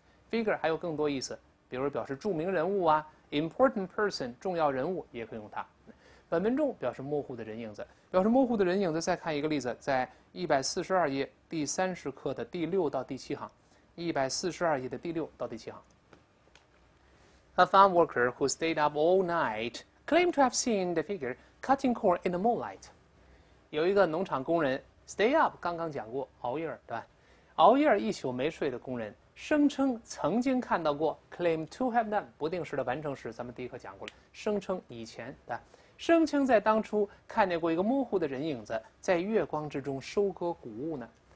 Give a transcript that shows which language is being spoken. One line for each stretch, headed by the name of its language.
Chinese: Figure 还有更多意思，比如表示著名人物啊，
English: important person
Chinese: 重要人物也可以用它。本文中表示模糊的人影子，表示模糊的人影子。再看一个例子，在142页第30课的第6到第7行，142页的第6到第7行。
English: A farm worker who stayed up all night claimed to have seen the figure cutting corn in the moonlight.
Chinese: 有一个农场工人
English: stay up
Chinese: 刚刚讲过熬夜对吧？熬夜一宿没睡的工人声称曾经看到过
English: claim to have done
Chinese: 不定式的完成时，咱们第一课讲过了，声称以前的，声称在当初看见过一个模糊的人影子在月光之中收割谷物呢。